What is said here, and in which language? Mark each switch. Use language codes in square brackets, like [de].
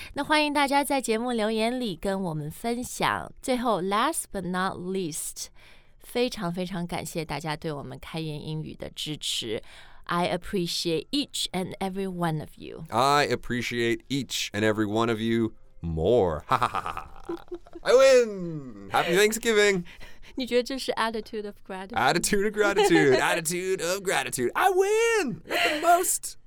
[zh] 那欢迎大家在节目留言里跟我们分享。最后 [en] ，last but not least。 [zh] 非常非常感谢大家对我们开言英语的支持。 [en] I appreciate each and every one of you. I appreciate each and every one of you more. Ha ha ha. I win! Happy Thanksgiving! [zh] 你觉得这是 [en] attitude of gratitude? Attitude of gratitude. Attitude of gratitude. I win! At the most!